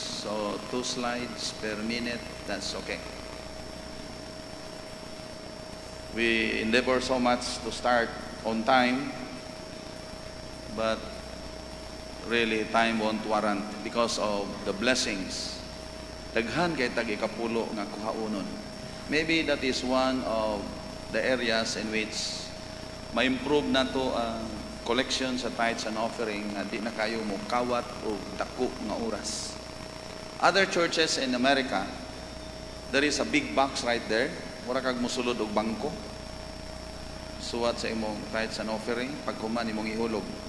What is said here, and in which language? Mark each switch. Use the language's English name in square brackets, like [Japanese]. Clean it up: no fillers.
[English] So 2 slides per minute, that's okay. We endeavor so much to start on time, but really, time won't warrant because of the blessings. [Cebuano] Daghan kay tag ikapulo nga kuhaunon. [English] Maybe that is one of the areas in which [Cebuano] ma-improve na to ang collection sa tithes and offering na di na kayo mo kawat o daku nga oras. [English] Other churches in America, there is a big box right there. [Cebuano] Mura kag musulod og bangko. Suwat sa imong tithes and offering pagkuman imong ihulog.